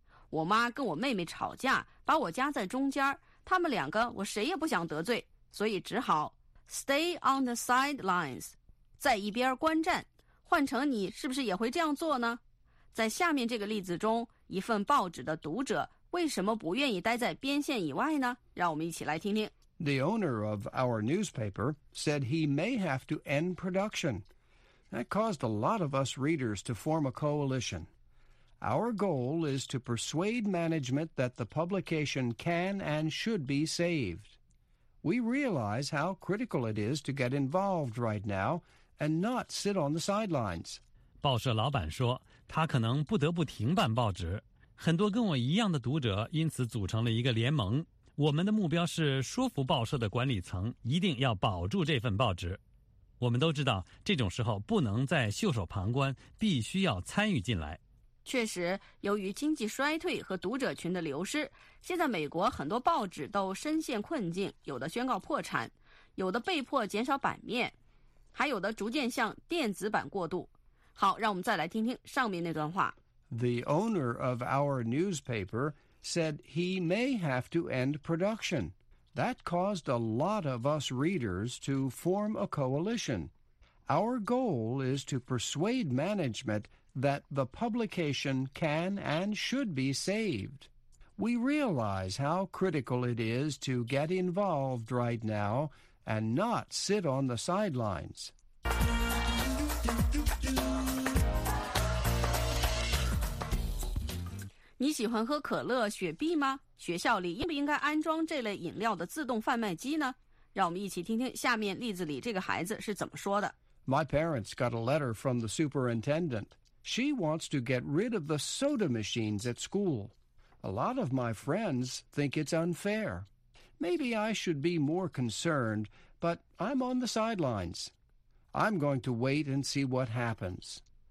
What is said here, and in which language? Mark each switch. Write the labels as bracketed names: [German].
[Chinese] 我妈跟我妹妹吵架，把我夹在中间，他们两个我谁也不想得罪，所以只好 [English] stay on the sidelines, [Chinese] 在一边观战。换成你是不是也会这样做呢？在下面这个例子中，一份报纸的读者为什么不愿意待在边线以外呢？让我们一起来听听。 [English] The owner of our newspaper said he may have to end production. That caused a lot of us readers to form a coalition. Our goal is to persuade management that the publication can and should be saved. We realize how critical it is to get involved right now and not sit on the sidelines. [Chinese] 报社老板说，他可能不得不停办报纸。很多跟我一样的读者因此组成了一个联盟。我们的目标是说服报社的管理层一定要保住这份报纸。我们都知道，这种时候不能再袖手旁观，必须要参与进来。确实，由于经济衰退和读者群的流失，现在美国很多报纸都深陷困境，有的宣告破产，有的被迫减少版面，还有的逐渐向电子版过渡。好，让我们再来听听上面那段话。 [English] The owner of our newspaper said he may have to end production. That caused a lot of us readers to form a coalition. Our goal is to persuade management that the publication can and should be saved. We realize how critical it is to get involved right now and not sit on the sidelines. [Chinese] You 喜欢喝可乐、雪碧吗？学校里应不应该安装这类饮料的自动贩卖机呢？让我们一起听听下面例子里这个孩子是怎么说的。 [English] My parents got a letter from the superintendent. She wants to get rid of the soda machines at school. A lot of my friends think it's unfair. Maybe I should be more concerned, but I'm on the sidelines. I'm going to wait and see what happens.